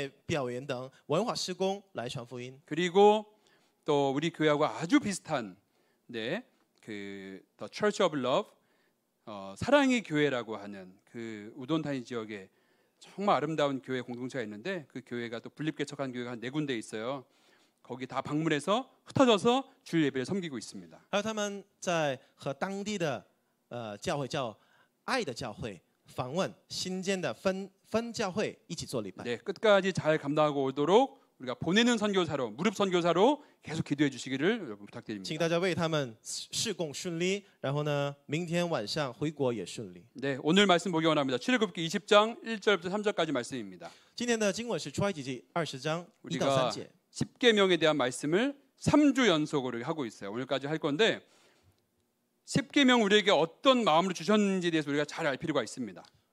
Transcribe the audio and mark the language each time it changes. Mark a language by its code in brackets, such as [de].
[zh] 他们在访问几所当地的学校，总共对1,500名泰国青少年举办跆拳道啊、戏剧啊、赞美表演等文化施工来传福音。 [ko] 그리고 또 우리 교회하고 아주 비슷한 네, 그 The Church of Love 사랑의 교회라고 하는 그 우돈타니 지역에 정말 아름다운 교회 공동체가 있는데 그 교회가 또 분립개척한 교회가 한 4군데 있어요. 거기 다 방문해서 흩어져서 주일 예배를 섬기고 있습니다. [zh] 他们在和当地的教会叫爱的教会访问新建的分教会一起做礼拜。 [ko] 네, 끝까지 잘 감당하고 오도록 우리가 보내는 선교사로 무릎 선교사로 계속 기도해 주시기를 여러분 부탁드립니다. [zh] 请大家为他们事工顺利，然后呢，明天晚上回国也顺利。 [ko] 네, 오늘 말씀 보기 원합니다. 출애굽기 20장 1절부터 3절까지 말씀입니다. [zh] 今天的经文是出埃及记20章1到3节。 [ko] 10계명에 대한 말씀을 3주 연속으로 하고 있어요. 오늘까지 할 건데 10계명 우리에게 어떤 마음으로 주셨는지 대해서 우리가 잘 알 필요가 있습니다.